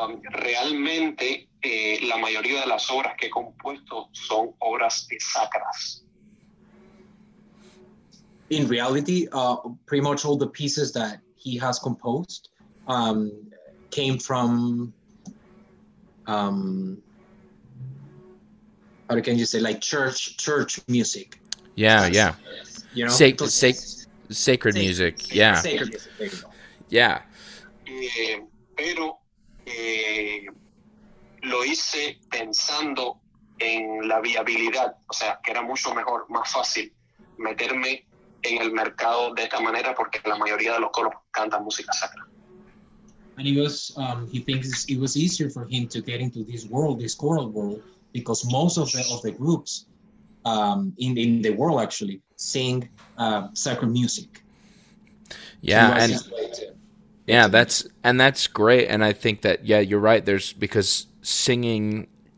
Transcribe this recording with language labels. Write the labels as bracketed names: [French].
[Spanish] Realmente la mayoría de las obras que he compuesto son obras sacras. [English] In reality, pretty much all the pieces that he has composed came from, how can you say, like church music. Yeah, because, yeah. You know, sacred music. Yeah. Sacred music. Yeah. [Spanish] Pero lo hice pensando en la viabilidad, o sea, que era mucho mejor, más fácil meterme en el mercado de esta manera porque la mayoría de los coros cantan música sacra. [English] And he thinks it was easier for him to get into this world, this choral world, because most of the groups in the world actually sing sacred music. Yeah, so and yeah, that's great, and I think that, yeah, you're right, there's, because singing,